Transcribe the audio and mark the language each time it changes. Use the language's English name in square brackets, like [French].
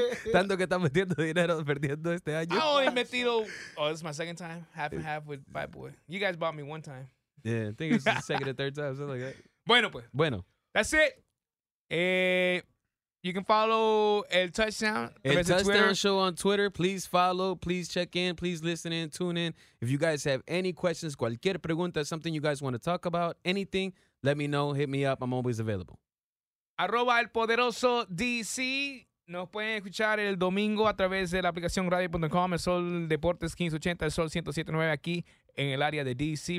[Spanish] Tanto que estamos metiendo dinero perdiendo este año. [English] I only metido, this is my second time, half and half with Fat Boy. You guys bought me one time. Yeah, I think it was the second or third time, something like that. [Spanish] Bueno, pues. Bueno. [English] That's it. You can follow El Touchdown. El Touchdown Show on Twitter. Please follow. Please check in. Please listen in. Tune in. If you guys have any questions, [Spanish] cualquier pregunta, [English] something you guys want to talk about, anything, let me know. Hit me up. I'm always available. @ El Poderoso DC. [Spanish] Nos pueden escuchar el domingo a través de la aplicación radio.com. El Sol Deportes 1580. El Sol 107.9 aquí en el área de DC.